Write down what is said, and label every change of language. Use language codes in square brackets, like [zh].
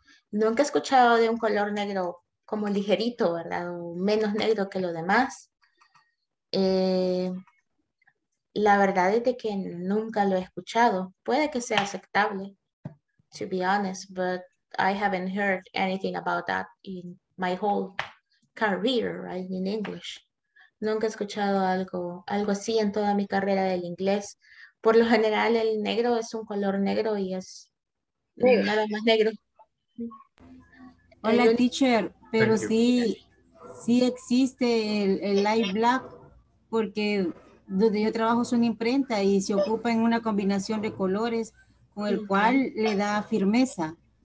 [es] Nunca he escuchado de un color negro como ligerito, ¿verdad? O menos negro que lo demás. La verdad es de que nunca lo he escuchado. Puede que sea aceptable, [en] to be honest, but I haven't heard anything about that in my whole career, right, in English. [es] Nunca he escuchado algo así en toda mi carrera del inglés. Por lo general, el negro es un color negro y es nada más negro. Hola, teacher, pero sí existe el light black porque donde yo trabajo es una imprenta y se ocupa en una combinación de colores con el cual le da firmeza.